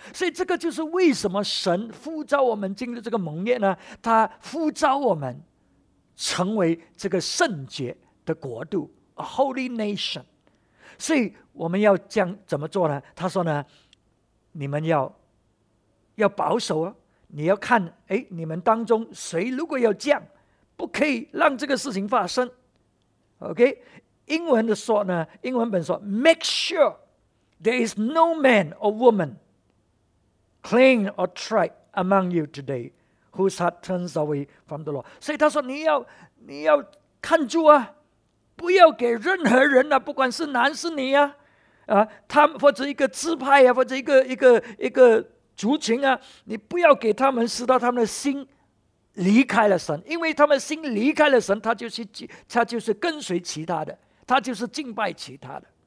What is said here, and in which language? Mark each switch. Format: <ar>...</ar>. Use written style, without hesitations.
<zh>所以这个就是为什么神呼召我们进入这个盟业呢，他呼召我们成为这个圣洁的国度，</zh> <en>A holy nation。</en> <zh>所以我们要这样怎么做呢？他说呢，你们要保守，你要看你们当中谁如果要这样，不可以让这个事情发生。</zh> <en>OK，</en> <zh>英文的说呢，英文本说</zh> <en>Make sure there is no man or woman clean or tried among you today whose heart turns away from the Lord。</en> <zh>所以他说你要看住啊，不要给任何人啊，不管是男是女啊，他或者一个支派啊，或者一个族群啊，你不要给他们使到他们的心离开了神，因为他们心离开了神，他就是跟随其他的，他就是敬拜其他的。</zh>